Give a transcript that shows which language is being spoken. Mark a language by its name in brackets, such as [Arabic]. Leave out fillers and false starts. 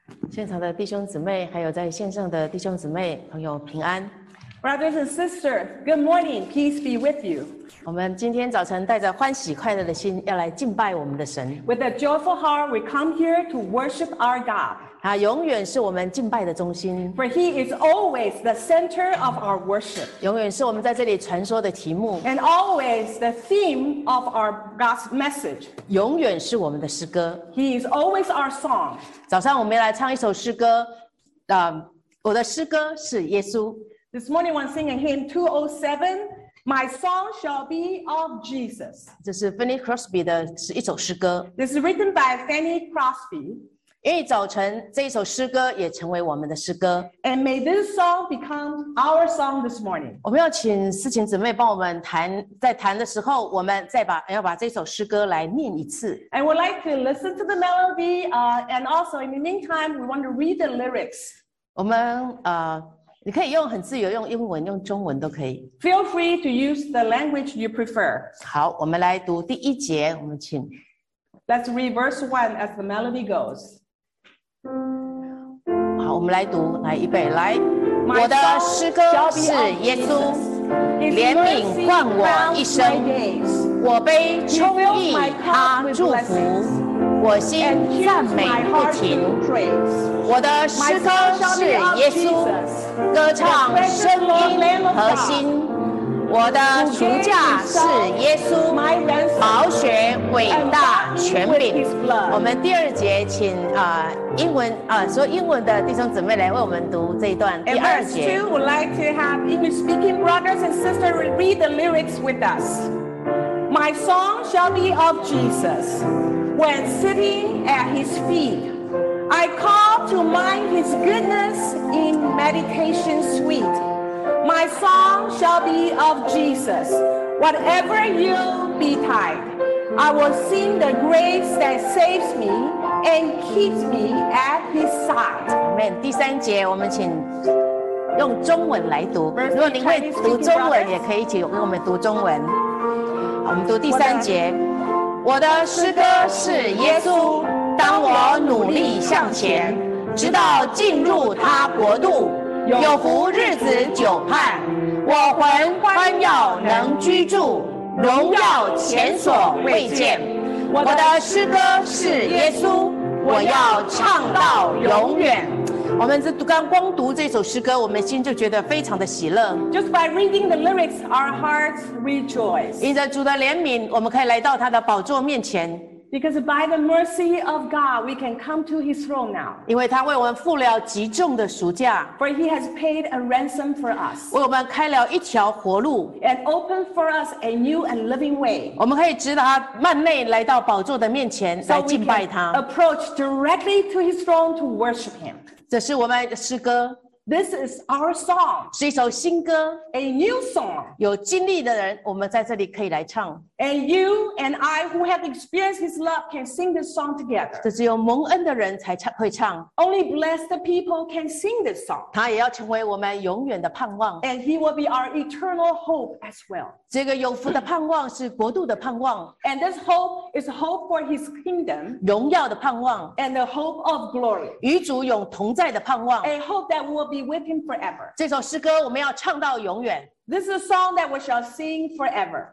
[Chinese] 现场的弟兄姊妹，还有在线上的弟兄姊妹、朋友，平安。 [English] Brothers and sisters, good morning. Peace be with you. [Chinese] 我们今天早晨带着欢喜快乐的心，要来敬拜我们的神。 [English] With a joyful heart, we come here to worship our God. [Chinese] 他永远是我们敬拜的中心。 [English] For He is always the center of our worship. [Chinese] 永远是我们在这里传说的题目。 [English] And always the theme of our God's message. [Chinese] 永远是我们的诗歌。 [English] He is always our song. [Chinese] 早上我们来唱一首诗歌。我的诗歌是耶稣。 [English] This morning, I want to sing a hymn 207, My Song Shall Be of Jesus. [Chinese] 这是 Fanny Crosby 的一首诗歌。 [English] This is written by Fanny Crosby. [Chinese] 因为早晨这一首诗歌也成为我们的诗歌。 [English] And may this song become our song this morning. [Chinese] 我们要请四情姊妹帮我们弹，在弹的时候，我们再把，要把这首诗歌来念一次。 [English] I would like to listen to the melody, and also in the meantime, we want to read the lyrics. [Chinese] 我们你可以用很自由，用英文，用中文都可以。 [English] Feel free to use the language you prefer. [Chinese] 好，我们来读第一节，我们请。 [English] Let's read verse one as the melody goes. [Chinese] 好，我们来读，来一备，来。我的诗歌是耶稣，怜悯冠我一生，我杯充溢他祝福。我心赞美不停，我的诗歌是耶稣，歌唱声音和心。我的赎价是耶稣，宝血伟大权柄。我们第二节请英文说英文的弟兄姊妹来为我们读这一段第二节。 [English] And verse two, would like to have English speaking brothers and sisters read the lyrics with us. My song shall be of Jesus. When sitting at his feet, I call to mind his goodness in meditation sweet. My song shall be of Jesus, whatever you betide. I will sing the grace that saves me and keeps me at his side. Amen. [Chinese] 第三节我们请用中文来读。如果您会读中文也可以请跟我们读中文。我们读第三节。我的诗歌是耶稣，当我努力向前，直到进入他国度，有福日子久盼，我魂欢耀能居住，荣耀前所未见。我的诗歌是耶稣，我要唱到永远。我们光读这首诗歌，我们心就觉得非常的喜乐。 [English] Just by reading the lyrics, our hearts rejoice. [Chinese] 因着主的怜悯，我们可以来到他的宝座面前。 [English] Because by the mercy of God, we can come to His throne now. [Chinese] 因为他为我们付了极重的赎价。 [English] For He has paid a ransom for us. [Chinese] 为我们开了一条活路。 [English] And opened for us a new and living way. [Chinese] 我们可以直达幔内来到宝座的面前来敬拜他。 [English] So we can approach directly to His throne to worship Him. [Chinese] 这是我们的诗歌。 [English] This is our song. [Chinese] 是一首新歌。 [English] A new song. [Chinese] 有经历的人，我们在这里可以来唱。 [English] And you and I who have experienced His love can sing this song together. [Chinese] 这只有蒙恩的人才会唱。 [English] Only blessed people can sing this song. [Chinese] 他也要成为我们永远的盼望。 [English] And He will be our eternal hope as well. [Chinese] 这个有福的盼望是国度的盼望。 [English] And this hope is hope for His kingdom. [Chinese] 荣耀的盼望。 [English] And the hope of glory. [Chinese] 与主永同在的盼望。 [English] A hope that will be with Him forever. [Chinese] 这首诗歌我们要唱到永远。 [English] This is a song that we shall sing forever.